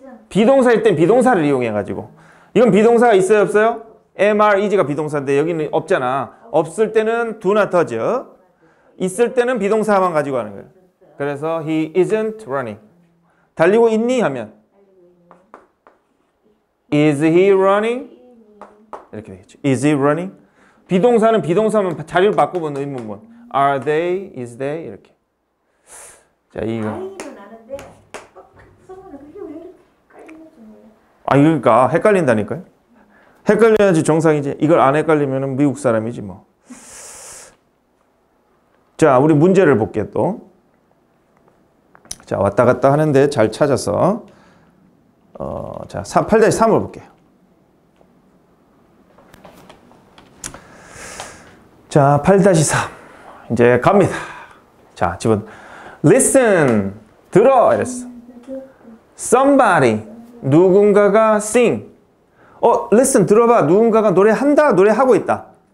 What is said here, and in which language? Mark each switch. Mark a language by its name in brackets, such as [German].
[Korean] 비동사일 땐 비동사를 이용해 가지고. 이건 비동사가 있어요, 없어요? am, are, is가 비동사인데 여기는 없잖아. 없을 때는 do not, does. 있을 때는 비동사만 가지고 하는 거예요. 그래서 [English] he isn't running. [Korean] 달리고 있니? 하면 [English] is he running? [Korean] 이렇게 되겠죠. [English] is he running? [Korean] 비동사는 비동사만 자리를 바꾸면 의문문. [English] Are they? Is they? [Korean] 이렇게. 자, 이거. I는 아는데 성우는 그게 왜 이렇게 아, 그러니까 헷갈린다니까요. 헷갈려야지 정상이지. 이걸 안 헷갈리면 미국 사람이지 뭐. 자, 우리 문제를 볼게 또. 자, 왔다 갔다 하는데 잘 찾아서. 자, 8-3을 볼게요. 자, 8-3. 이제 갑니다. 자, 지금 listen, 들어, 이랬어. [English] Somebody, [Korean] 누군가가 [English] sing. [Korean] listen, 들어봐. 누군가가 노래한다, 노래하고 있다.